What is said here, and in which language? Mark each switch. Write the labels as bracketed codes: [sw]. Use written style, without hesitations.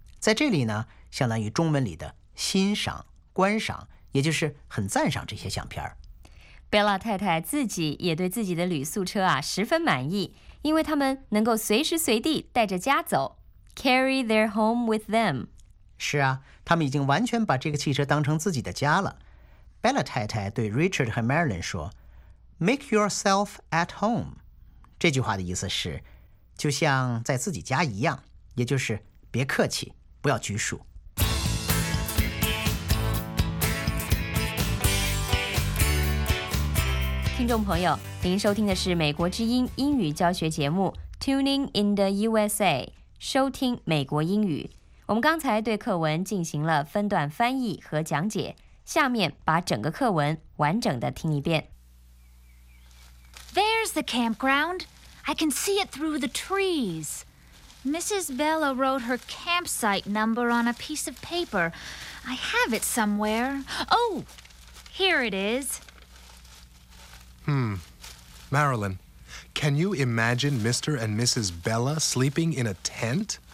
[zh] 在这里呢，相当于中文里的欣赏、观赏，也就是很赞赏这些相片。 Bella 太太自己也对自己的旅宿车啊十分满意，因为他们能够随时随地带着家走 ， [en] carry their home with them。 [zh] 是啊，他们已经完全把这个汽车当成自己的家了。 Bella 太太对 Richard 和 Marilyn 说 ： [en] “Make yourself at home。” [zh] 这句话的意思是，就像在自己家一样，也就是别客气，不要拘束。听众朋友，您收听的是美国之音英语教学节目 Tuning in the USA， 收听美国英语。我们刚才对课文进行了分段翻译和讲解，下面把整个课文完整的听一遍。 [en] There's the campground. I can see it through the trees. Mrs. Bella wrote her campsite number on a piece of paper. I have it somewhere. Oh, here it is. Marilyn, can you imagine Mr. and Mrs. Bella sleeping in a tent?